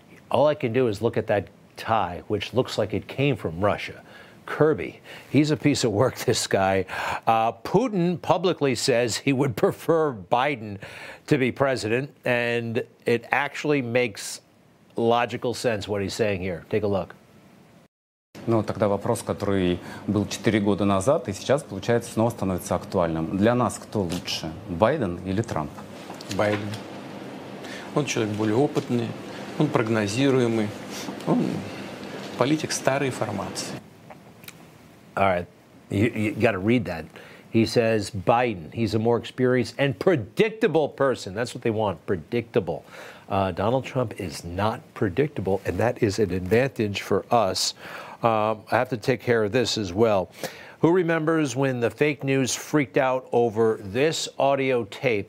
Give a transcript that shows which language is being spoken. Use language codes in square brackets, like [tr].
[en] All I can do is look at that tie, which looks like it came from Russia. Kirby, he's a piece of work, this guy. Putin publicly says he would prefer Biden to be president, and it actually makes logical sense what he's saying here. Take a look. [ru] Ну, тогда вопрос, который был 4 года назад, и сейчас, получается, снова становится актуальным. Для нас кто лучше, Байден или Трамп? Байден. Он человек более опытный, он прогнозируемый, он политик старой формации. [en] All right, you got to read that. He says Biden, he's a more experienced and predictable person. That's what they want, predictable. Donald Trump is not predictable, and that is an advantage for us. I have to take care of this as well. Who remembers when the fake news freaked out over this audio tape?